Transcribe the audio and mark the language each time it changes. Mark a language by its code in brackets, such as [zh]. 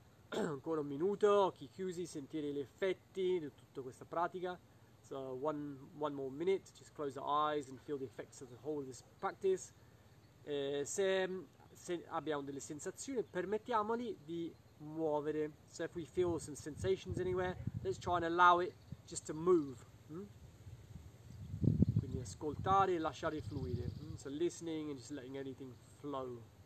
[it] Ancora un minuto, occhi chiusi, sentire gli effetti di tutta questa pratica. [en] So one more minute, just close the eyes and feel the effects of the whole of this practice. [it] Se abbiamo delle sensazioni, permettiamoli di muovere. [en] So if we feel some sensations anywhere, let's try and allow it just to move. [it] Quindi ascoltare e lasciare fluire. [en] So listening and just letting anything flow.